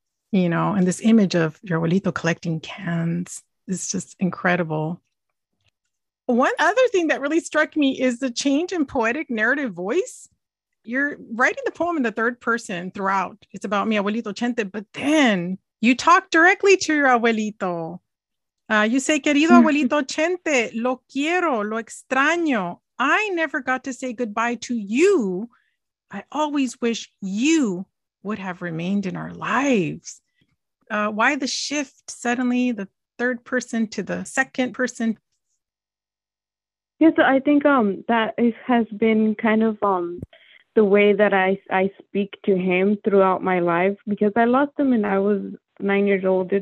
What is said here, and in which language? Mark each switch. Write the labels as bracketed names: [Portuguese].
[English] You know, and this image of your abuelito collecting cans is just incredible. One other thing that really struck me is the change in poetic narrative voice. You're writing the poem in the third person throughout. It's about [Spanish] mi abuelito [English] Chente, but then you talk directly to your abuelito. You say, [Spanish] querido abuelito Chente, lo quiero, lo extraño. [English] I never got to say goodbye to you. I always wish you would have remained in our lives. Why the shift suddenly, the third person to the second person? Yeah, so I think that it has been kind of the way that I speak to him throughout my life, because I lost him when I was 9 years old.